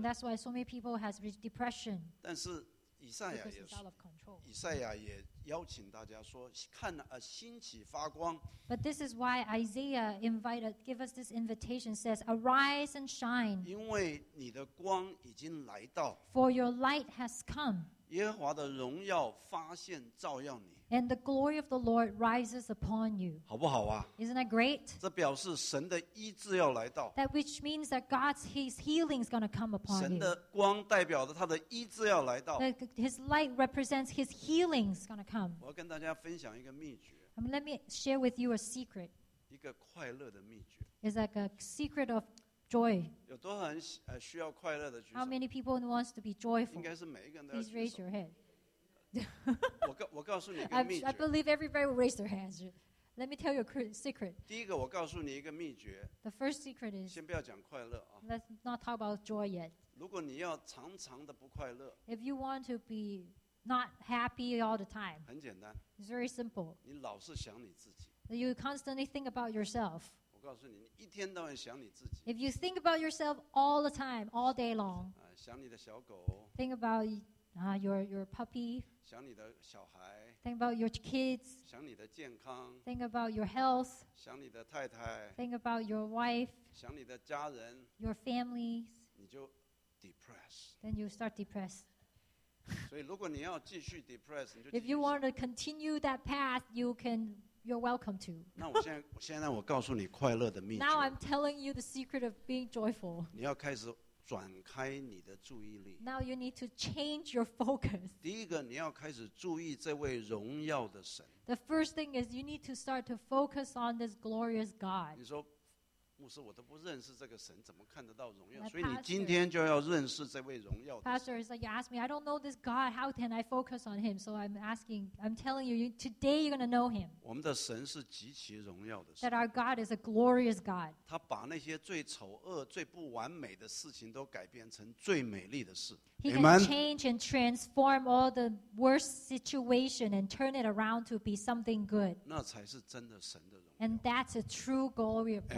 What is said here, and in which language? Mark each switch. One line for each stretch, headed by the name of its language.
English: And that's why so many people has depression.
Chinese: 但是以赛亚也是。
English: Because it's out of control.
Chinese: 以赛亚也邀请大家说，看啊，兴起发光。
English: But this is why Isaiah give us this invitation, says, arise and shine.
Chinese: 因为你的光已经来到。
English: For your light has come.
Chinese: 耶和华的荣耀发现照耀你。
English: And the glory of the Lord rises upon you.
Chinese: 好不好啊？
English: Isn't that great?
Chinese: 这表示神的医治要来到。
English: That which means that God's healing is going to come upon you.
Chinese: 神的光代表着他的医治要来到。
English: His light represents his healing is going to come.
Chinese: 我要跟大家分享一个秘诀。
English: Let me share with you a secret.
Chinese: 一个快乐的秘诀。
English: It's like a secret of joy.
Chinese: 有多少人需要快乐的举手
English: ？How many people wants to be joyful?
Chinese: 应该是每一个人都要举手。
English: Please raise your hand.
Chinese: 我告诉你一个秘诀。
English: I believe everybody will raise their hands. Let me tell you a secret.
Chinese: 第一个，我告诉你一个秘诀。
English: The first secret is.
Chinese: 先不要讲快乐啊。
English: Let's not talk about joy yet.
Chinese: 如果你要常常的不快乐
English: ，If you want to be not happy all the time，
Chinese: 很简单
English: ，It's very simple。
Chinese: 你老是想你自己
English: ，You constantly think about yourself。
Chinese: 我告诉你，你一天到晚想你自己。
English: If you think about yourself all the time, all day long，
Chinese: 想你的小狗
English: ，Think about your puppy，
Chinese: 想你的小孩
English: ，Think about your kids，
Chinese: 想你的健康
English: ，Think about your health，
Chinese: 想你的太太
English: ，Think about your wife，
Chinese: 想你的家人
English: ，Your families，
Chinese: 你就。
English: Depressed. Then you start depressed.
Chinese: 所以如果你要继续 depressed, 你就
English: If you want to continue that path, you can. You're welcome to.
Chinese: 那我现在，我告诉你快乐的秘诀。
English: Now I'm telling you the secret of being joyful.
Chinese: 你要开始转开你的注意力。
English: Now you need to change your focus.
Chinese: 第一个，你要开始注意这位荣耀的神。
English: The first thing is you need to start to focus on this glorious God.
Chinese: 你说。牧师，我都不认识这个神，怎么看得到荣耀？所以你今天就要认识这位荣耀的神。
English: Pastor is like you ask me, I don't know this God. How can I focus on Him? So I'm asking, I'm telling you, today you're going to know Him.
Chinese: 我们的神是极其荣耀的神。
English: That our God is a glorious God.
Chinese: 他把那些最丑恶、最不完美的事情都改变成最美丽的事。
English: He can change and transform all the worst situation and turn it around to be something good.
Chinese: 那才是真的神的荣耀。
English: And that's a true glory of God.